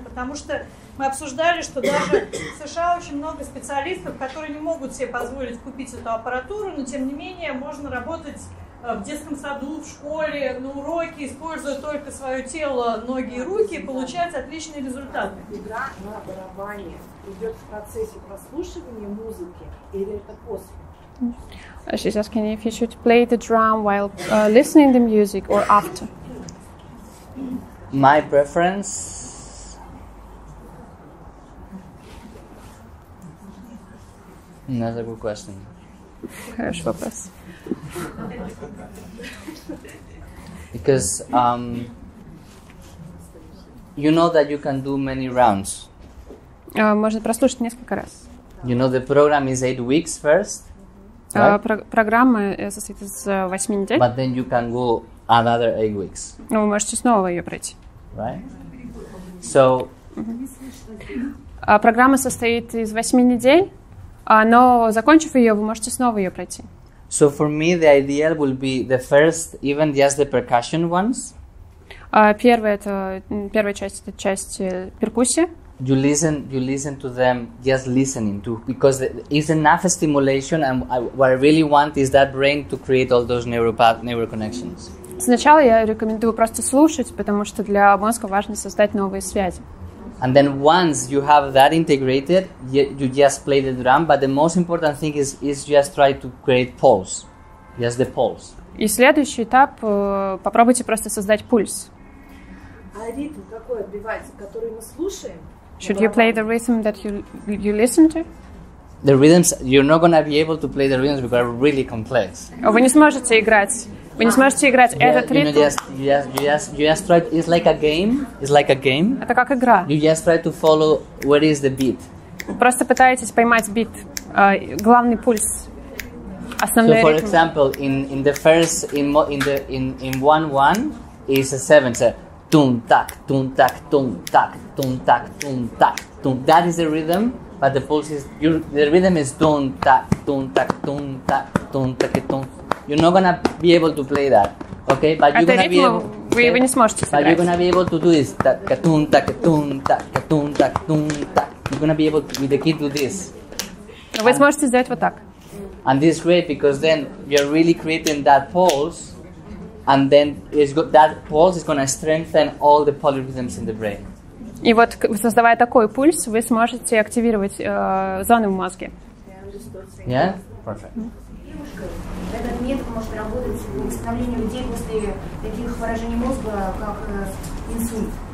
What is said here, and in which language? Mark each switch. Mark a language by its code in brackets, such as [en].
[ru] Потому что мы обсуждали, что даже в США очень много специалистов, которые не могут себе позволить купить эту аппаратуру, но тем не менее можно работать в детском саду, в школе, на уроке, используя только свое тело, ноги и руки, и получать отличные результаты. Игра на барабане идет в процессе прослушивания музыки или это после? [en] She's asking if you should play the drum while listening to the music or after. My preference. That's a good question. [ru] Хороший вопрос. [en] Because you know that you can do many rounds. [ru] Можно прослушать несколько раз. [en] You know the program is 8 weeks first. Right? [ru] Программа состоит из 8 недель. [en] But then you can go another 8 weeks. [ru] Ну, вы можете снова ее пройти. [en] Right? So. [ru] Программа состоит из 8 недель, но закончив ее, вы можете снова ее пройти. [en] So for me the ideal will be the first, even just the percussion ones. [ru] Первая часть — это часть перкуссии. [en] You listen to them, just listening to, because it's enough stimulation, and what I really want is that brain to create all those neural connections. [ru] Сначала я рекомендую просто слушать, потому что для мозга важно создать новые связи. [en] And then once you have that integrated, you just play the drum, but the most important thing is just try to create pulse, just the pulse. [ru] И следующий этап — попробуйте просто создать пульс. А ритм какой отбивается, который мы слушаем? [en] Should you play the rhythm that you listen to? The rhythms, you're not going to be able to play the rhythms because they're really complex. [ru] Вы не сможете играть. Вы не сможете играть этот ритм. [en] You just try. It's like a game. It's like a game. [ru] Это как игра. [en] You just try to follow where is the beat. [ru] Вы просто пытаетесь поймать бит, главный пульс, основной ритм. [en] So, for example, in the first one is a 7. Tum tak, tum tak, tum tak, tum tak, tum tak, tum. That is the rhythm, but the pulse is the rhythm is tum tak, tum tak, tum tak, tum tak, tum. You're not gonna be able to play that, okay? But you're gonna be able. [ru] Вы не сможете. [en] But you're gonna be able to do this. Tak, tum tak, tum tak, tum tak, tum tak. You're gonna be able to, with the kid, do this. [ru] Вы сможете сделать вот так. [en] And this is great because then you're really creating that pulse. And then that pulse is going to strengthen all the polyrhythms in the brain. [ru] И вот, создавая такой пульс, вы сможете активировать зоны в мозге. [en] Yeah? Perfect. [ru] Девушка, этот метод может работать в восстановлении людей после таких поражений мозга, как инсульт.